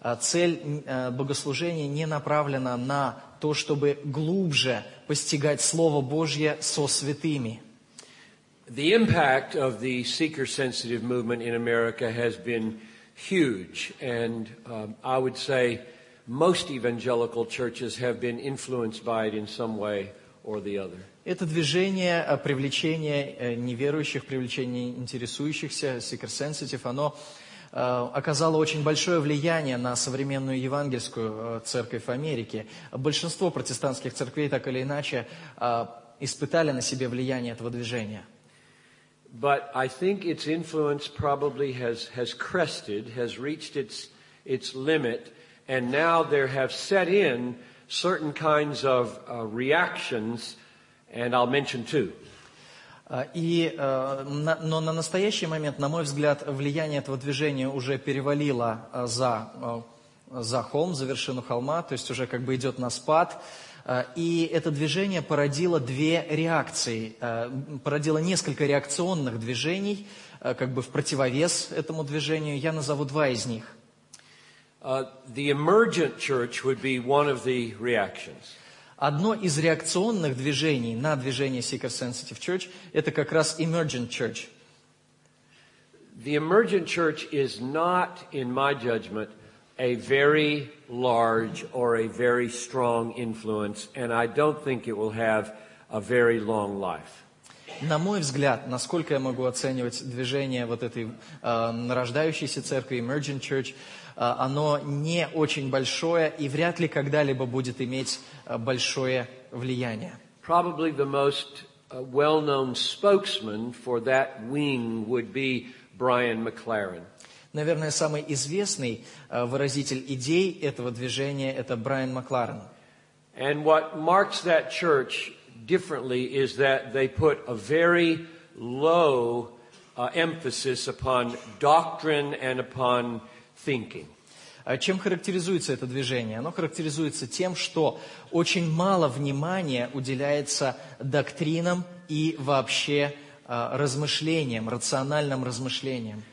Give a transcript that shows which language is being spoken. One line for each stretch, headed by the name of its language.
Russian: Цель богослужения не направлена на то, чтобы глубже постигать Слово Божье со святыми.
English: The impact of the seeker-sensitive movement in America has been huge, and I would say most evangelical churches have been influenced by it in some way or the other.
Russian: Это движение привлечения неверующих, привлечения интересующихся, seeker-sensitive, оно оказало очень большое влияние на современную евангельскую церковь в Америке. Большинство протестантских церквей так или иначе испытали на себе влияние этого движения.
English: But I think its influence probably has crested, has reached its limit, and now there have set in certain kinds of reactions, and I'll mention two.
Russian: Но на настоящий момент, на мой взгляд, влияние этого движения уже перевалило за холм, за вершину холма, то есть уже как бы идет на спад. И это движение породило две реакции, породило несколько реакционных движений, как бы в противовес этому движению. Я назову два из них.
English: The emergent church would be one of the reactions.
Russian: Одно из реакционных движений на движение Seeker Sensitive Church – это как раз emergent church.
English: The emergent church is not, in my judgment, a very large or a very strong influence, and I don't think it will have a very long life.
Russian: На мой взгляд, насколько я могу оценивать движение вот этой рождающейся церкви, emergent church, оно не очень большое и вряд ли когда-либо будет иметь большое влияние.
English: Probably the most well-known spokesman for that wing would be Brian McLaren.
Russian: Наверное, самый известный выразитель идей этого движения – это Брайан Макларен.
English: And what marks that church differently is that they put a very low emphasis upon doctrine and upon thinking.
Russian: Чем характеризуется это движение? Оно характеризуется тем, что очень мало внимания уделяется доктринам и вообще размышлением, рациональным размышлением.